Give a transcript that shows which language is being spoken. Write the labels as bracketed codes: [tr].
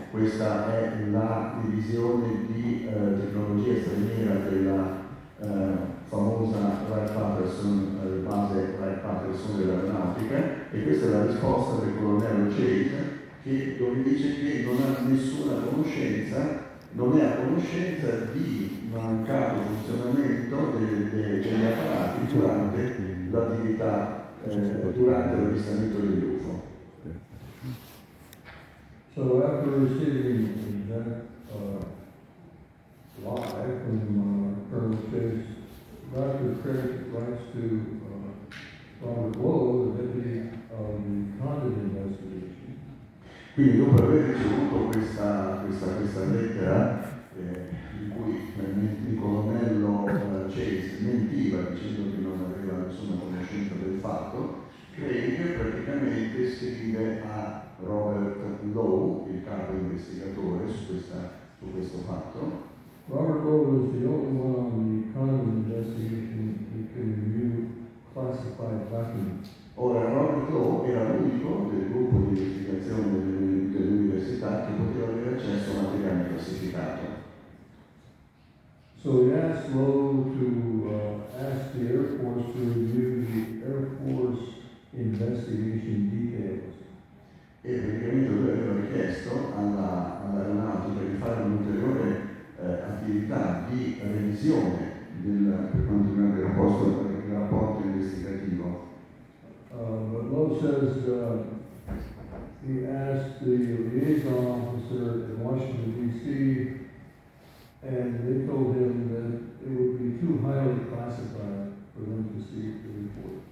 [it] Questa è la divisione di tecnologia straniera della famosa Wright-Patterson, base Wright-Patterson dell'Aeronautica, e questa è la risposta del colonnello Chase, che dove dice che non ha nessuna conoscenza, non è a conoscenza di mancato funzionamento degli apparati durante l'attività, durante l'avvistamento dell'UFO. [en] So after receiving that lie from Colonel Chase, Dr. Craig writes to Robert Lowe, the deputy of the Condon investigation. [it] Quindi dopo aver ricevuto questa lettera, in cui il colonnello Chase mentiva dicendo che non aveva nessuna conoscenza del fatto, Craig praticamente scrive a Robert Lowe, il capo investigatore, su questo fatto. [en] Robert Lowe was the only one on the Condon investigation who could review classified documents. [it] Ora, Robert Lowe era l'unico del gruppo di investigazione dell'università che poteva avere accesso a materiale classificato. [en] So he asked Lowe to ask the Air Force to review the Air Force investigation details. [it] E praticamente lui aveva richiesto all'aeronautica di fare un'ulteriore attività di revisione per quanto riguarda il posto del rapporto investigativo. [en] But Lowe says he asked the liaison officer in Washington, D.C., and they told him that it would be too highly classified for them to see the report.